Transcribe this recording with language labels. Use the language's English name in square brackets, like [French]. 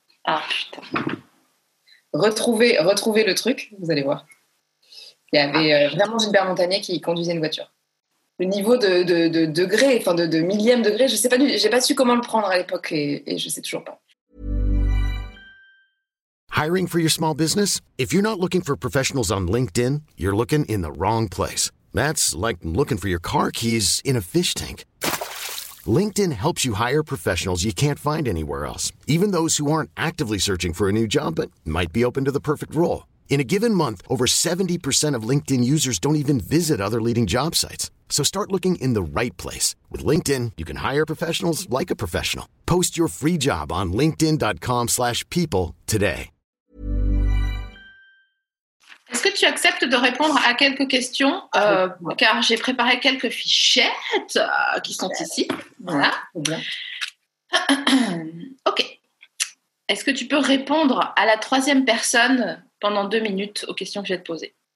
[French] Ah putain. Retrouvez le truc, vous allez voir. Il y avait vraiment Gilbert Montagnier qui conduisait une voiture. Le niveau de degré, enfin de millième degré, je sais pas, j'ai pas su comment le prendre à l'époque et je sais toujours pas. [English] Hiring for your small business? If you're not looking for professionals on LinkedIn, you're looking in the wrong place. That's like looking for your car keys in a fish tank. LinkedIn helps you hire professionals you can't find anywhere else, even those who aren't actively searching for a new job but might be open to the perfect role. In a given month, over 70% of LinkedIn users don't even visit other leading job sites. So start looking in the right place. With LinkedIn, you can hire professionals like a professional. Post your free job on linkedin.com/people today. [French] Est-ce que tu acceptes de répondre à quelques questions? Car j'ai préparé quelques fichettes qui sont ici. Voilà. Ok. Est-ce que tu peux répondre à la troisième personne pendant 2 minutes aux questions que je vais te poser?